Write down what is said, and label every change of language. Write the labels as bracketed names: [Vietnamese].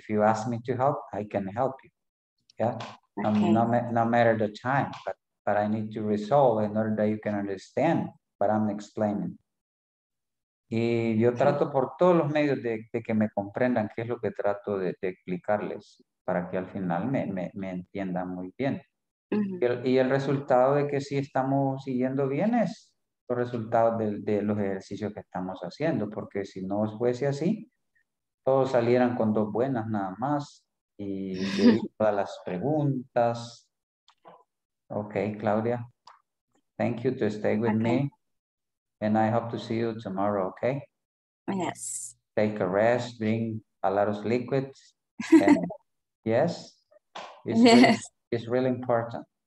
[English] If you ask me to help, I can help you, yeah? Okay. No matter the time, but I need to resolve in order that you can understand what I'm explaining. [Spanish] Y yo trato por todos los medios de que me comprendan qué es lo que trato de explicarles para que al final me entiendan muy bien. Uh-huh. Y el resultado de que sí estamos siguiendo bien es los resultados de los ejercicios que estamos haciendo, porque si no fuese así, todos salieran con dos buenas nada más, y todas las preguntas. [English] Ok, Claudia, thank you to stay with okay. me, and I hope to see you tomorrow, ok? Yes. Take a rest, drink a lot of liquids. Yes? It's yes. Really, it's really important.